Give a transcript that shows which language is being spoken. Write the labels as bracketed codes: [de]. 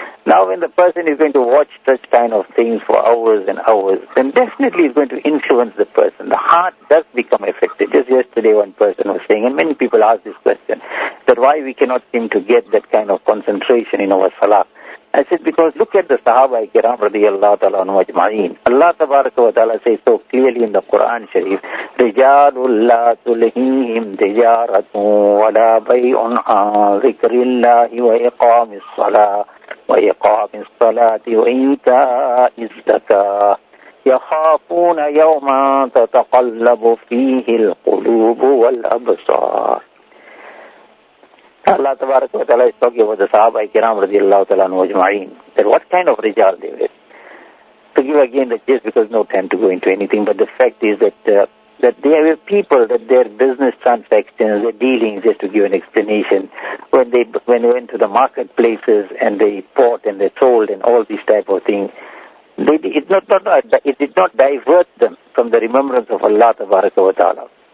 [en] Now, when the person is going to watch such kind of things for hours and hours, then definitely it's going to influence the person. The heart does become affected. Just yesterday, one person was saying, and many people ask this question, that why we cannot seem to get that kind of concentration in our salah. I said, because look at the Sahaba Ikram radiallahu ta'ala anhu ajma'in. Allah tabaraka wa ta'ala says so clearly in the Quran Sharif, [ar] رِجَالٌ لَا تُلْهِيهِمْ تِجَارَةٌ وَلَا بَيْعٌ عَنْ ذِكْرِ اللَّهِ وَإِقَامِ الصَّلَاةِ وإقام الصلاة وإيتاء الزكاة يخافون يوما تتقلب فيه القلوب والأبصار. [en] Allah [ar] تبارك وتعالى [en] is talking about the Sahaba Ikram [ar] رضي الله تعالى عنهم أجمعين. [en] What kind of رجال they were? To give again the gist, because no time to go into anything, but the fact is that that they have people that their business transactions, their dealings, just to give an explanation, when they went to the marketplaces and they bought and they sold and all these type of things, it did not divert them from the remembrance of Allah tabaraka wa ta'ala.